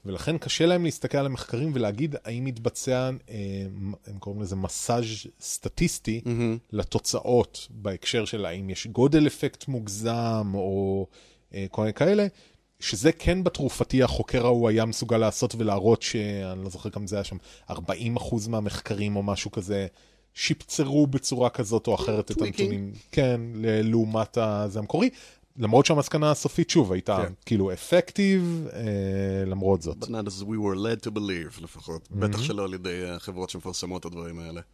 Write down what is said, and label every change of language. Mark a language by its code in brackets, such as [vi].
[he] ולכן קשה להם להסתכל על המחקרים ולהגיד האם התבצע, הם קוראים לזה מסאז' סטטיסטי, לתוצאות בהקשר של האם יש גודל אפקט מוגזם או כל כאלה, שזה כן בתרופתי החוקר ההוא היה מסוגל לעשות ולהראות שאני לא זוכר כמה זה היה שם, 40% מהמחקרים או משהו כזה, שיפצרו בצורה כזאת או אחרת את הנתונים, כן, לעומת הזה המקורי. למרות שהמסקנה הסופית שוב הייתה כאילו אפקטיב, למרות זאת. [en] But not as we were led to believe, [he] לפחות. בטח שלא על ידי החברות שמפרסמות את הדברים האלה.